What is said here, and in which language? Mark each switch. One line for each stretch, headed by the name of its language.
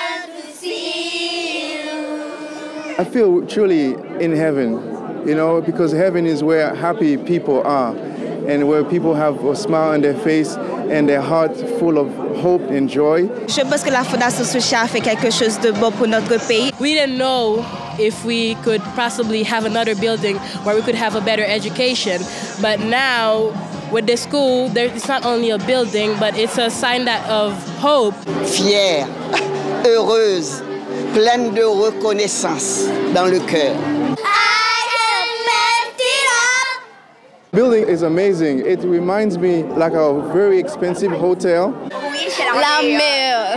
English: I feel truly in heaven, you know, because heaven is where happy people are and where people have a smile on their face and their heart full of hope and joy.
French: Je pense que la Fondation Suchi a fait quelque chose de bon pour notre pays.
English: We didn't know if we could possibly have another building where we could have a better education, but now with the school, it's not only a building, but it's a sign that of hope.
French: Fière, heureuse, pleine de reconnaissance dans le cœur.
English: Building is amazing. It reminds me like a very expensive hotel.
French: La mer.